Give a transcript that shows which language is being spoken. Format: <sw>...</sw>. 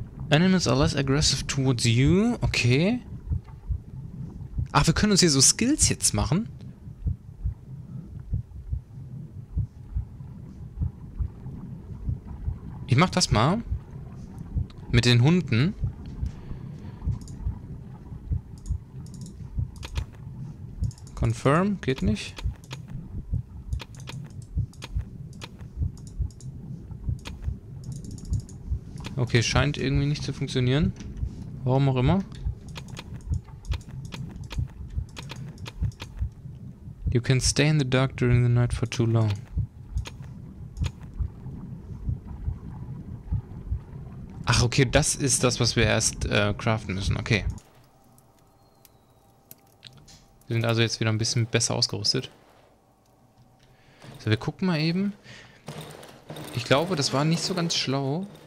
<en>Animals are less aggressive towards you. Okay.</en> <de>Ach, wir können uns hier so Skills jetzt machen. Ich mach das mal. Mit den Hunden. Confirm, geht nicht. Okay, scheint irgendwie nicht zu funktionieren. Warum auch immer.</de> <en>You can stay in the dark during the night for too long.</en> <de>Ach, okay, das ist das, was wir erst craften müssen. Okay. Wir sind also jetzt wieder ein bisschen besser ausgerüstet. So, wir gucken mal eben. Ich glaube, das war nicht so ganz schlau.</de>